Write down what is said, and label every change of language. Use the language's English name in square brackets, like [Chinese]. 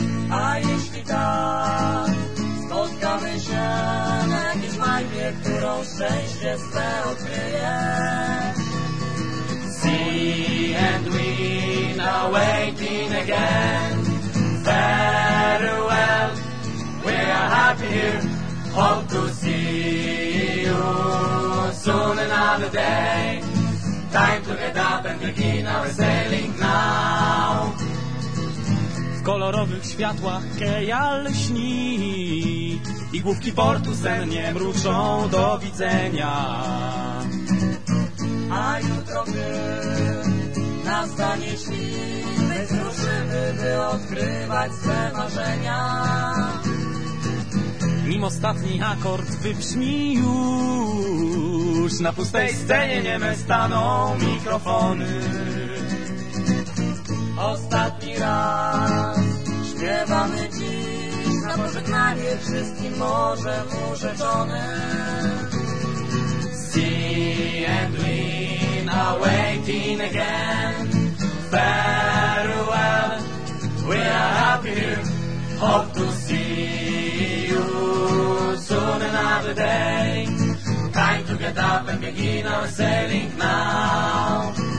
[Polish] A jeśli tak, spotkamy się na jakiejś majwie, którą szczęście swe odkryje. [English] Sea and wind awaking again, farewell, we are happy here, hope to see you soon another day. Time to get up and begin our sailing now. [Polish] W kolorowych światłach Kejal śni i główki portu sennie mruczą do widzenia. A jutro gdy nastanie świt, my zruszymy, by odkrywać swe marzenia. Nim ostatni akord wybrzmi już, na pustej scenie nieme staną mikrofony. Ostatni raz śpiewamy dziś na pożegnanie wszystkim morzem urzeczonym. [English] Sea and wind awaking again, farewell, we are happy here, hope to see you soon another day. Time to get up and begin our sailing now.